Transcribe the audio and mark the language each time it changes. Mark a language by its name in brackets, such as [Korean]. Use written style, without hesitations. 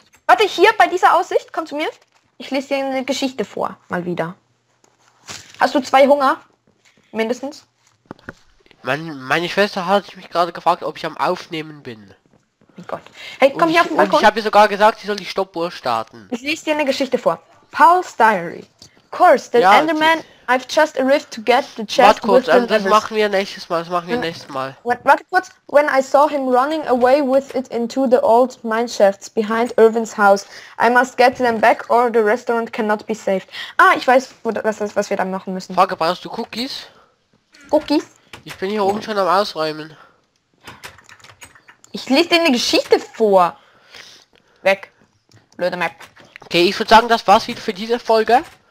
[German] Warte, hier bei dieser Aussicht, komm zu mir. Ich lese dir eine Geschichte vor, mal wieder. Hast du zwei Hunger? Mindestens? Meine Schwester hat mich gerade gefragt, ob ich am Aufnehmen bin. Mein Gott. Hey, komm und hier auf den Balkon. Und ich habe ihr sogar gesagt, sie soll die Stoppuhr starten. Ich lese dir eine Geschichte vor. Paul's Diary. [English] Of course, the Enderman, I've just arrived to get the chest. [German] Warte kurz, das machen wir nächstes Mal, Warte kurz, [English] when I saw him running away with it into the old mineshafts behind Irvin's house, I must get them back or the restaurant cannot be saved. [German] Ah, ich weiß, was das ist, was wir dann machen müssen. Frage, brauchst du Cookies? Cookies? Ich bin hier oben schon am Ausräumen. Ich lese dir eine Geschichte vor. Weg. Blöde Map. Okay, ich würde sagen, das war's wieder für diese Folge.